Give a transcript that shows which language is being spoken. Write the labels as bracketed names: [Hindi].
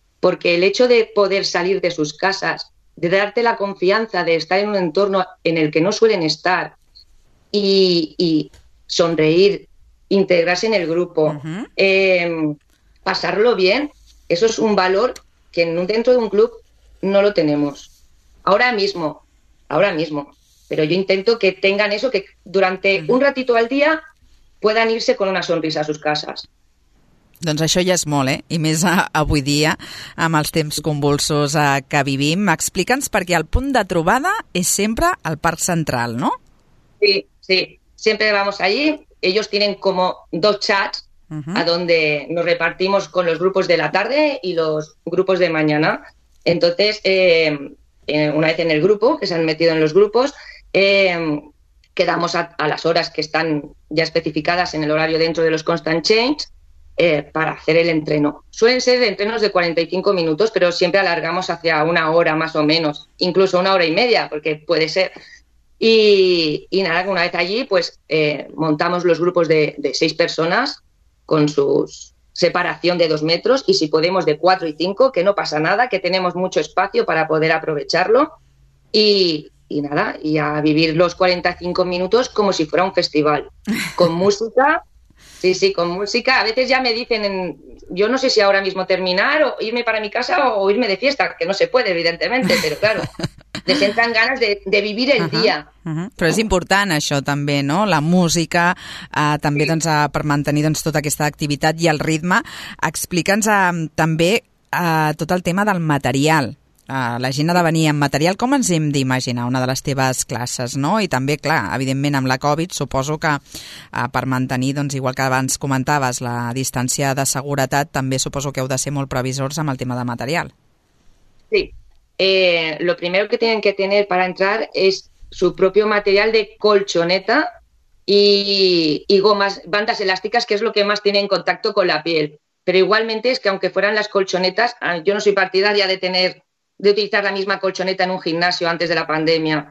[Spanish] Porque el hecho de poder salir de sus casas, de darte la confianza de estar en un entorno en el que no suelen estar y sonreír, integrarse en el grupo, uh-huh, pasarlo bien, eso es un valor que dentro de un club no lo tenemos. Ahora mismo. Pero yo intento que tengan eso, que durante uh-huh un ratito al día puedan irse con una sonrisa a sus casas. [Catalan] Doncs això ja és molt, eh? I més avui dia, amb els temps convulsos que vivim. Explica'ns, perquè el punt de trobada és sempre el Parc Central, no? [Spanish] Sí, sí. Siempre vamos allí. Ellos tienen como dos chats uh-huh a donde nos repartimos con los grupos de la tarde y los grupos de mañana. Entonces, una vez en el grupo, que se han metido en los grupos, quedamos a las horas que están ya especificadas en el horario dentro de los Constant Change para hacer el entreno. Suelen ser entrenos de 45 minutos, pero siempre alargamos hacia una hora más o menos, incluso una hora y media, porque puede ser. Y nada, una vez allí, pues montamos los grupos de 6 personas con sus separación de 2 metros y si podemos de 4 y 5, que no pasa nada, que tenemos mucho espacio para poder aprovecharlo y nada, y a vivir los 45 minutos como si fuera un festival, con música, sí, con música. A veces ya me dicen, yo no sé si ahora mismo terminar o irme para mi casa o irme de fiesta, que no se puede evidentemente, pero claro, les entran ganas de vivir el día. [Catalan] Però és important això també, no? La música també sí. Doncs, per mantenir doncs, tota aquesta activitat i el ritme. Explica'ns també tot el tema del material. La gent ha de venir amb material. Com ens hem d'imaginar una de les teves classes, no? I també, clar, evidentment amb la Covid, suposo que per mantenir, doncs, igual que abans comentaves, la distància de seguretat, també suposo que heu de ser molt previsors amb el tema de material. Sí. [Spanish] Lo primero que tienen que tener para entrar es su propio material de colchoneta y gomas, bandas elásticas, que es lo que más tiene en contacto con la piel. Pero igualmente es que aunque fueran las colchonetas, yo no soy partidaria de utilizar la misma colchoneta en un gimnasio antes de la pandemia.